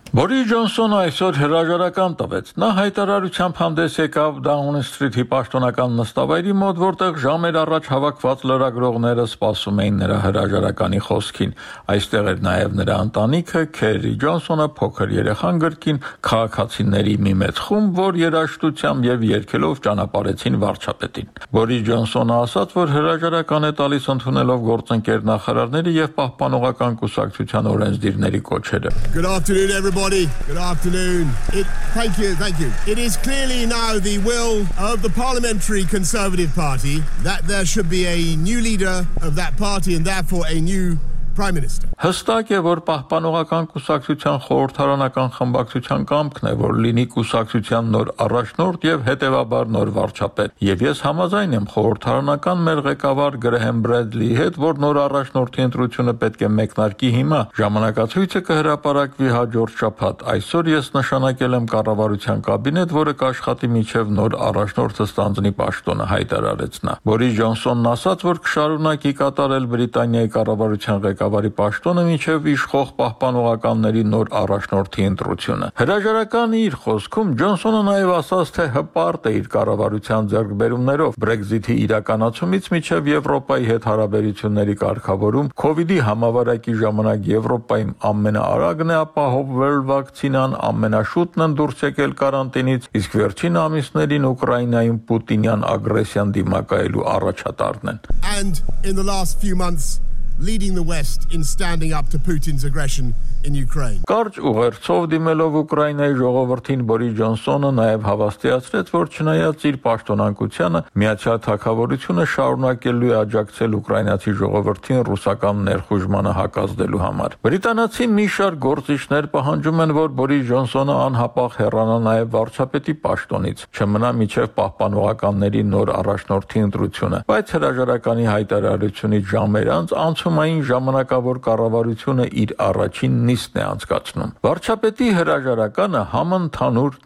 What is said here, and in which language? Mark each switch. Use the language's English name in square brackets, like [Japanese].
[Armenian] Բորիս Ջոնսոնը այսօր հրաժարական տվեց։ Նա հայտարարությամբ հանդես եկավ Դաունին Սթրիթի պաշտոնական նստավայրի մոտ, որտեղ ժամեր առաջ հավաքված լրագրողները սպասում էին նրա հրաժարականի խոսքին։ Այստեղ էր նաև նրա ընտանիքը, Քերի Ջոնսոնը, փոքր երեխան գրկին, քաղաքացիների մի մեծ խումբ, որ երաժշտությամբ և երգելով ճանապարհեցին վարչապետին։ Բորիս Ջոնսոնը ասաց, որ հրաժարական է տալիս ընդունելով գործընկեր նախարարների և պահպանողական կուսակցության օրենսդիրների կոչերը։ [English] Everybody, good afternoon. Thank you. It is clearly now the will of the Parliamentary Conservative Party that there should be a new leader of that party and therefore a new Prime Minister. [Armenian] Հստակ է, որ պահպանողական կուսակցության խորհրդարանական խմբակցության կամքն է, որ լինի կուսակցության նոր առաջնորդ և հետևաբար նոր վարչապետ։ Եվ ես համաձայն եմ խորհրդարանական մեր ղեկավար Գրեհեմ Բրեդլի հետ, որ նոր առաջնորդի ընտրությունը պետք է մեկնարկի հիմա։ Ժամանակացույցը կհրապարակվի հաջորդ շաբաթ։ Այսօր ես նշանակել եմ կառավարության կաբինետ, որը կաշխատի միջև նոր առաջնորդը ստանձնի պաշտոնը, հայտարարեց նա։ Բորիս Ջոնսոնն ասաց, որ կշարունակի կատարել Բրիտանիայի կառավարության ղեկավարի պաշտոնը մինչև իշխող պահպանողականների նոր առաջնորդի ընտրությունը։ Հրաժարական իր խոսքում Ջոնսոնը նաև ասաց, թե հպարտ է իր կառավարության ձեռքբերումներով Brexit-ի իրականացումից մինչև Եվրոպայի հետ հարաբերությունների կարգավորում, COVID-ի համավարակի ժամանակ Եվրոպայում ամենաարագն է ապահովվել վակցինան, ամենաշուտն են դուրս եկել կարանտինից, իսկ վերջին ամիսներին Ուկրաինայում Պուտինյան ագրեսիան դիմակայելու առաջատարն են։ [English] Leading the West in standing up to Putin's aggression in Ukraine. [Armenian] Կարճ ուղերձով դիմելով Ուկրաինայի ժողովրդին Բորիս Ջոնսոնը նաև հավաստիացրեց, որ չնայած իր պաշտոնակությանը, Միացյալ Թագավորությունը շարունակելու է աջակցել Ուկրաինացի ժողովրդին ռուսական ներխուժմանը հակազդելու համար։ Բրիտանացի մի շարք գործիչներ պահանջում են, որ Բորիս Ջոնսոնը անհապաղ հեռանա նաև վարչապետի պաշտոնից, չմնա միջև պահպանողականների նոր առաջնորդի ընտրությունը, բայց հրաժարականի հայտարարությունից ժամեր անց անցումային ժամանակավոր կառավարությունը իր առաջին նիստն է անցկացնում։ Վարչապետի հրաժարականը համընդհանուր